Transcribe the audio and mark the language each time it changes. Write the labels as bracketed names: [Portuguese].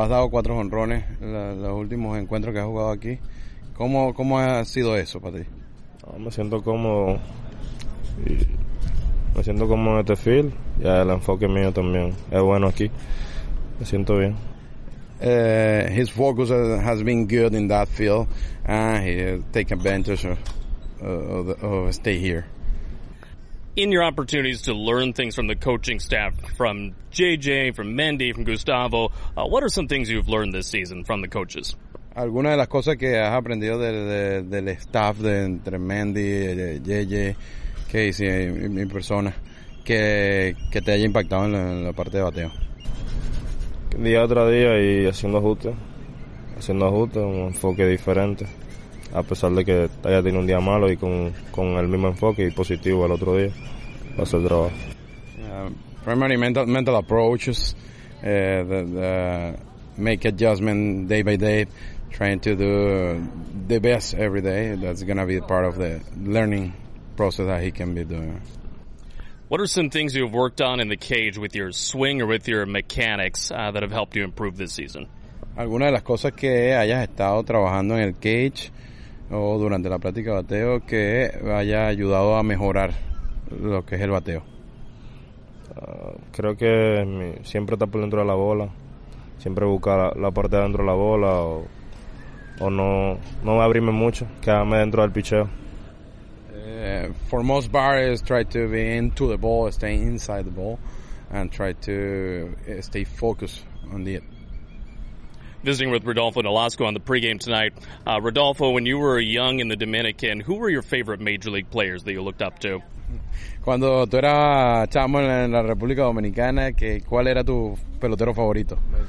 [Spanish] Has dado cuatro jonrones los últimos encuentros que has jugado aquí. ¿Cómo ha sido eso para ti? Me siento cómodo. Me siento como en este field, y el enfoque mío también es bueno aquí. Me siento bien. [English] His focus has been good in that field, and he take advantage of stay here. In your opportunities to learn things from the coaching staff, from JJ, from Mendy, from Gustavo, what are some things you've learned this season from the coaches? [Spanish] Algunas de las cosas que has aprendido del staff de entre Mendy, JJ. Que sí, mi persona, que te haya impactado en la parte de bateo. Día tras día y haciendo ajustes, un enfoque diferente, a pesar de que haya tenido un día malo y con el mismo enfoque y positivo el otro día, va a ser trabajo. [English] Primary mental approaches, the make adjustment day by day, trying to do the best every day, that's going to be part of the learning process that he can be doing. What are some things you've worked on in the cage with your swing or with your mechanics that have helped you improve this season? [Spanish] Algunas de las cosas que hayas estado trabajando en el cage o durante la práctica de bateo que haya ayudado a mejorar lo que es el bateo. Creo que siempre estar por dentro de la bola, siempre buscar la parte de dentro de la bola o no abrirme mucho, quedarme dentro del picheo. [English] For most batters, try to be into the ball, stay inside the ball, and try to stay focused on it. Visiting with Rodolfo Nolasco on the pregame tonight. Rodolfo, when you were young in the Dominican, who were your favorite major league players that you looked up to? [Spanish] Cuando tú eras chamo en la República Dominicana, ¿cuál era tu pelotero favorito?